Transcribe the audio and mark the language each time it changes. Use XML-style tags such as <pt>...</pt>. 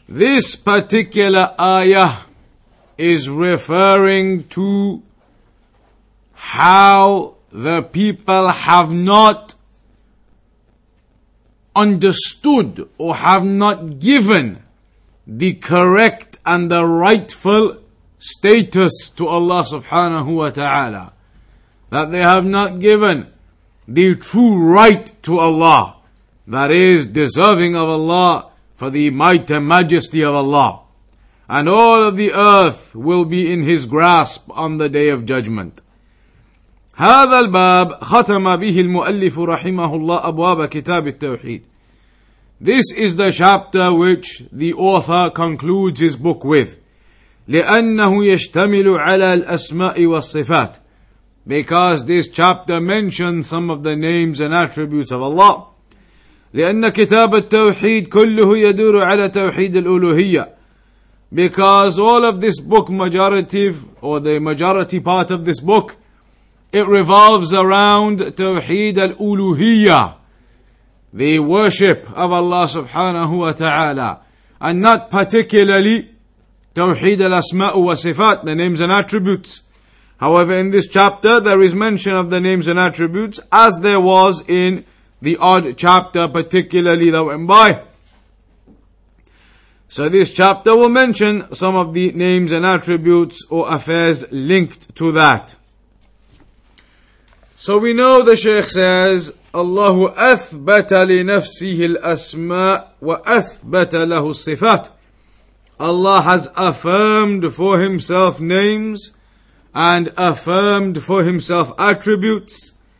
<en>This particular ayah is referring to how the people have not understood or have not given the correct and the rightful status to Allah subhanahu wa ta'ala. That they have not given the true right to Allah, that is deserving of Allah for the might and majesty of Allah. And all of the earth will be in His grasp on the Day of Judgment.</en> <ar>هذا الباب ختم به المؤلف رحمه الله أبواب كتاب التوحيد.</ar> <en>This is the chapter which the author concludes his book with.</en> <ar>لأنه يشتمل على الأسماء والصفات.</ar> <en>Because this chapter mentions some of the names and attributes of Allah.</en> <ar>لأن كتاب التوحيد كله يدور على توحيد الألوهية.</ar> <en>Because all of this book, the majority part of this book, it revolves around Tawheed al-Uluhiyya, the worship of Allah subhanahu wa ta'ala, and not particularly Tawheed al-Asma'u wa Sifat, the names and attributes. However, in this chapter, there is mention of the names and attributes, as there was in the odd chapter particularly that went by. So this chapter will mention some of the names and attributes or affairs linked to that. So we know the Shaykh says, Allah</en> <ar>أثبت لنفسه الأسماء وأثبت له الصفات.</ar> <en>Allah has affirmed for Himself names and affirmed for Himself attributes.</en>